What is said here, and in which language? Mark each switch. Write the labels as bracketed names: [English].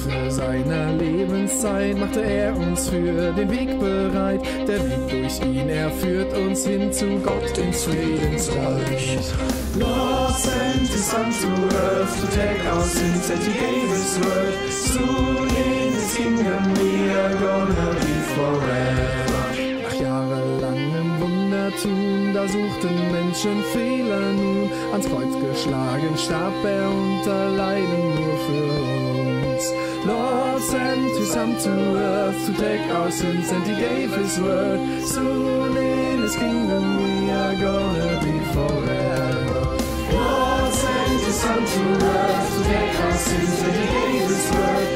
[German] Seiner Lebenszeit machte er uns für den Weg bereit. Der Weg durch ihn, er führt uns hin zu Gott ins Friedensreich. [English] Lord sent his son to earth to take our sins, and he gave his word. Soon in his kingdom we are gonna be forever. [German] Nach jahrelangem Wundertun, da suchten Menschen Fehler nun. Ans Kreuz geschlagen starb er unter Leiden nur für uns. [English] Lord sent his son to earth to take our sins, and he gave his word. Soon in his kingdom we are gonna be forever. Lord sent his son to earth to take our sins, and he gave his word.